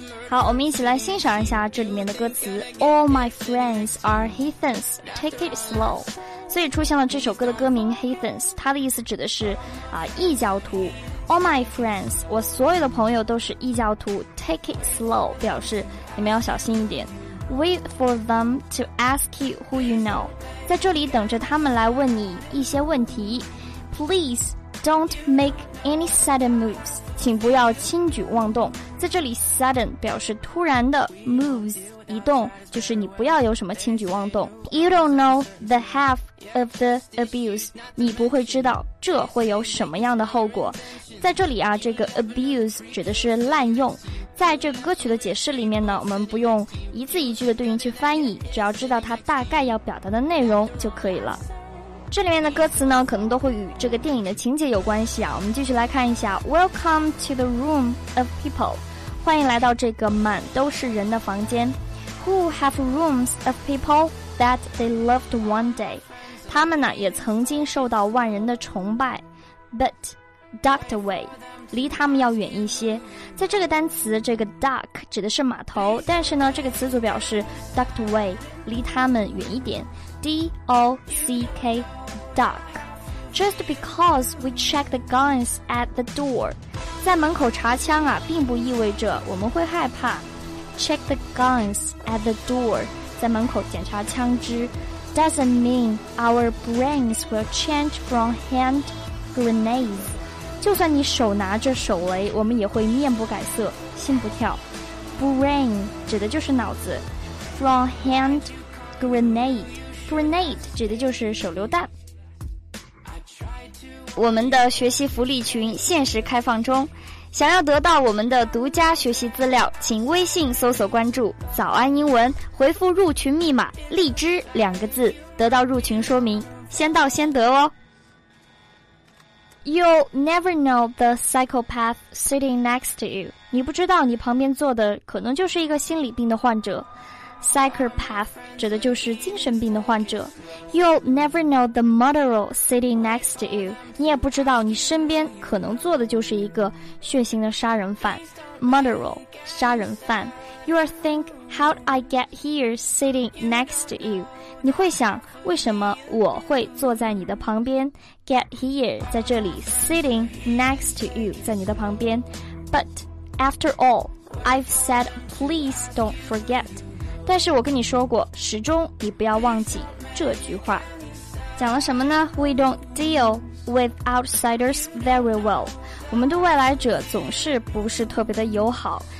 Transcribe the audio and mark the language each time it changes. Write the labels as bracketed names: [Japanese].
[Chinese] 好，我们一起来欣赏一下这里面的歌词 [English] All my friends are heathens, take it slow。 [Chinese] 所以出现了这首歌的歌名 Heathens， 它的意思指的是异教徒。 All my friends， 我所有的朋友都是异教徒， [English] take it slow [Chinese] 表示你们要小心一点。 [English] Wait for them to ask you who you know， [Chinese] 在这里等着他们来问你一些问题。 [English] Please don't make any sudden moves， [Chinese] 请不要轻举妄动。在这里 sudden 表示突然的， moves 移动就是你不要有什么轻举妄动。 [English] You don't know the half of the abuse， [Chinese] 你不会知道这会有什么样的后果。在这里啊，这个 abuse 指的是滥用，在这个歌曲的解释里面呢，我们不用一字一句的对应去翻译，只要知道它大概要表达的内容就可以了。这里面的歌词呢，可能都会与这个电影的情节有关系啊。我们继续来看一下 [English] Welcome to the room of people， [Chinese] 欢迎来到这个满都是人的房间。 [English] Who have rooms of people that they loved one day， [Chinese] 他们呢也曾经受到万人的崇拜。 [English] But ducked away， [Chinese] 离他们要远一些。在这个单词，这个 duck 指的是码头，但是呢这个词组表示 ducked away， 离他们远一点。 [English] D-O-C-K, duck. Just because we check the guns at the door， [Chinese] 在门口查枪啊，并不意味着我们会害怕。 [English] Check the guns at the door， [Chinese] 在门口检查枪支， [English] doesn't mean our brains will change from hand grenades， [Chinese] 就算你手拿着手雷，我们也会面不改色，心不跳。 Brain 指的就是脑子， from hand grenadeGrenade 指的就是手榴弹。我们的学习福利群限时开放中，想要得到我们的独家学习资料，请微信搜索关注早安英文，回复入群密码荔枝两个字，得到入群说明，先到先得哦。 [English] You'll never know the psychopath sitting next to you， [Chinese] 你不知道你旁边坐的可能就是一个心理病的患者。 [English] Psychopath 指的就是精神病的患者。You'll never know the murderer sitting next to you， [Chinese] 你也不知道你身边可能坐的就是一个血腥的杀人犯。 [English] Murderer 杀人犯。 You'll think how'd I get here sitting next to you， [Chinese] 你会想为什么我会坐在你的旁边。 Get here 在这里， sitting next to you 在你的旁边。 [English] But after all I've said please don't forget， [Chinese] 但是我跟你说过，始终你不要忘记这句话。讲了什么呢？ [English] We don't deal with outsiders very well， [Chinese] 我们对外来者总是不是特别的友好。